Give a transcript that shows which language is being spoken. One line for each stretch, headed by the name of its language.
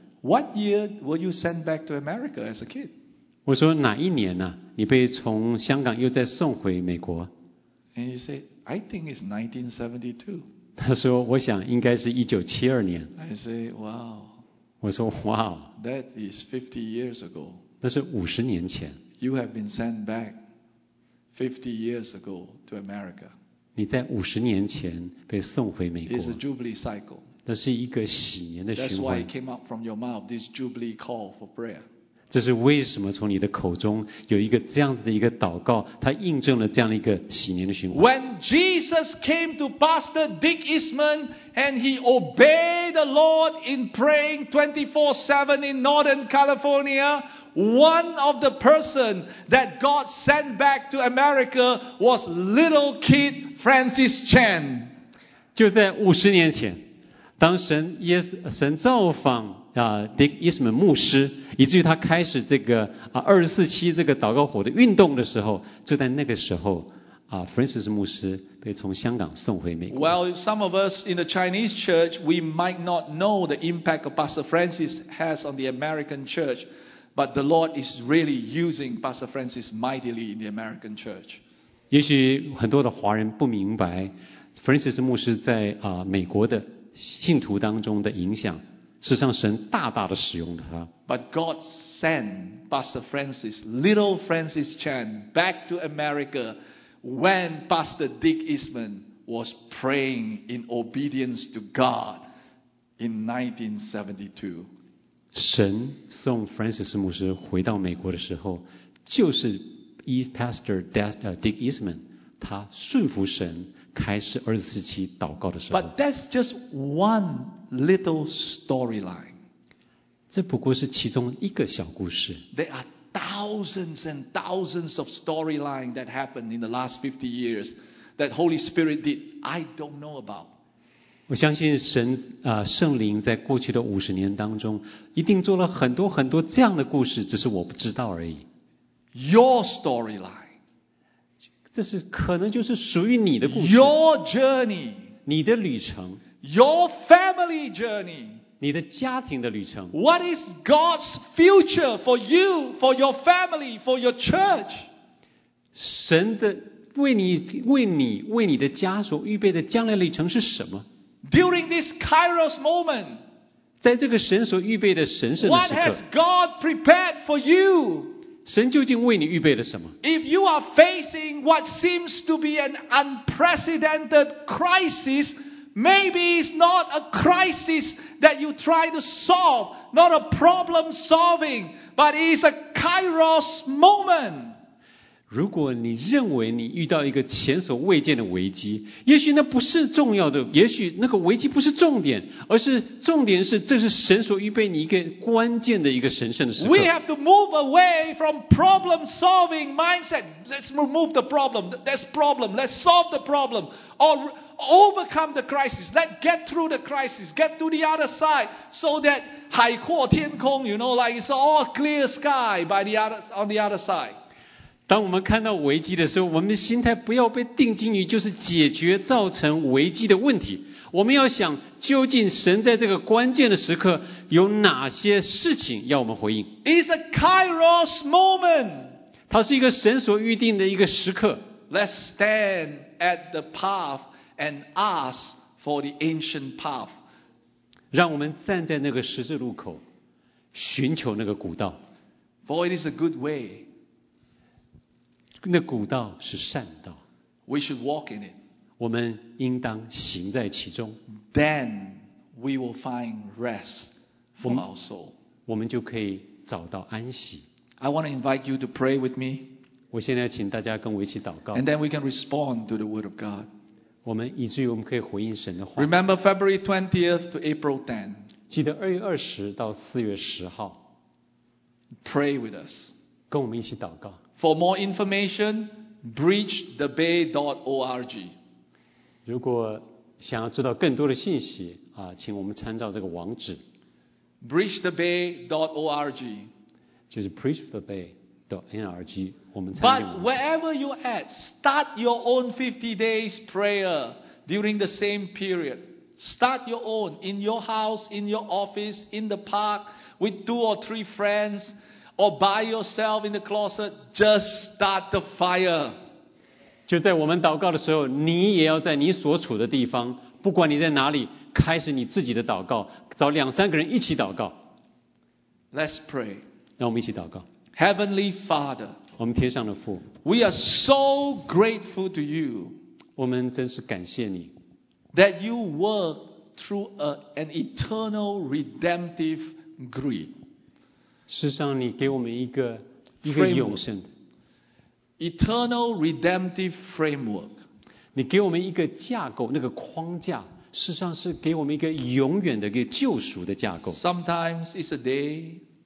English: What year were you sent back to America as a kid?
Chinese: 我说哪一年呢、啊？你被从香港又再送回美国
English: ？And he said, I think it's 1972.
Chinese: 他说，我想应该是1972年。
English: I say, wow.
Chinese: 我说 ，Wow，
English: that is 50 years ago.
Chinese: 那是五十年前。
English: You have been sent back 50 years ago to America.
Chinese: 你在五十年前被送回美国。
English: It's a jubilee cycle.
Chinese: 那是一个喜年的循环。
English: That's why it came up from your mouth this jubilee call for prayer.
Chinese: 这是为什么从你的口中有一个这样子的一个祷告，它印证了这样一个喜年的循环。
English: When Jesus came to Pastor Dick Eastman and he obeyed. The Lord in praying 24/7 in Northern California, one of the person that God sent back to America was little kid Francis Chan.
Chinese: 就在五十年前，当神耶稣神造访啊 Dick Eastman 牧师，以至于他开始这个啊二十四期这个祷告火的运动的时候，就在那个时候。 Francis 牧师被从香港送回美国。
English: Well, some of us in the Chinese church, we might not know the impact of Pastor Francis has on the American church, but the Lord is really using Pastor Francis mightily in the American church.
Chinese: 也许很多的华人不明白 Francis 牧师在、美国的信徒当中的影响，事实上神大大的使用他。
English: But God sent Pastor Francis, little Francis Chan, back to America. When Pastor Dick Eastman was praying in obedience to God in 1972,
Chinese: 神送 Francis 牧师回到美国的时候，就是 Pastor Dick Eastman 他顺服神开始二十四期祷告的时候。
English: But that's just one little storyline.
Chinese: 这不过是其中一个小故事。
English: There are. Thousands and thousands of storyline that happened in the last 50 years that Holy Spirit did, I don't know about.
Chinese: 我相信神啊、圣灵在过去的五十年当中一定做了很多很多这样的故事，只是我不知道而已。
English: Your storyline,
Chinese: 这是可能就是属于你的故事。
English: Your journey,
Chinese: 你的旅程。
English: Your family journey.
Chinese: 你的家庭的旅程。
English: What is God's future for you, for your family, for your church?
Chinese: 神的为你的家所预备的将来旅程是什么？
English: During this Kairos moment,
Chinese: 在这个神所预备的神圣的时刻。
English: What has God prepared for you?
Chinese: 神究竟为你预备了什么？
English: If you are facing what seems to be an unprecedented crisis,Maybe it's not a crisis that you try to solve, not a problem solving, but it's a kairos moment.
Chinese: 如果你认为你遇到一个前所未见的危机，也许那不是重要的，也许那个危机不是重点，而是重点是这是神所预备你一个关键的一个神圣的时刻。
English: We have to move away from problem solving mindset. Let's remove the problem. There's problem. Let's solve the problem. Or overcome the crisis. Let's get through the crisis. Get to the other side so that
Chinese: 海阔天空
English: you know, like it's all clear sky by the other, on the other side.
Chinese: 当我们看到危机的时候，我们的心态不要被定睛于就是解决造成危机的问题。我们要想，究竟神在这个关键的时刻有哪些事情要我们回应
English: ？It's a Kairos moment.
Chinese: 它是一个神所预定的一个时刻。
English: Let's stand at the path and ask for the ancient path.
Chinese: 让我们站在那个十字路口，寻求那个古道。
English: For it is a good way.
Chinese: 那古道是善道
English: We should walk in it.
Chinese: 我们应当行在其中
English: Then we will find rest for our soul.
Chinese: 我们就可以找到安息
English: I want to invite you to pray with me.
Chinese: 我现在请大家跟我一起祷告
English: And then we can respond to the word of God.
Chinese: 我们以至于我们可以回应神的话
English: Remember February 20th to April 10th.
Chinese: 记得2月20到4月10号
English: Pray with us.
Chinese: 跟我们一起祷告
English: For more information, bridgethebay.org.
Chinese: 如果想要知道更多的信息，请我们参照这个网址。
English: bridgethebay.org.
Chinese: 就是 bridgethebay.org.
English: But wherever you at, start your own 50 days prayer during the same period. Start your own in your house, in your office, in the park, with two or three friends. Or by yourself in the closet, just start the fire.
Chinese: 就在我们祷告的时候，你也要在你所处的地方，不管你在哪里，开始你自己的祷告，找两三个人一起祷告。
English: Let's pray.
Chinese: 让我们一起祷告。
English: Heavenly Father,
Chinese: 我们天上的父
English: we are so grateful to you.
Chinese: 我们真是感谢你
English: that you work through an eternal redemptive grid.
Chinese: 事实上你给我们一个永生的
English: Eternal Redemptive Framework
Chinese: 你给我们一个架构那个框架事实上是给我们一个永远的一个救赎的架构
English: Sometimes it's a day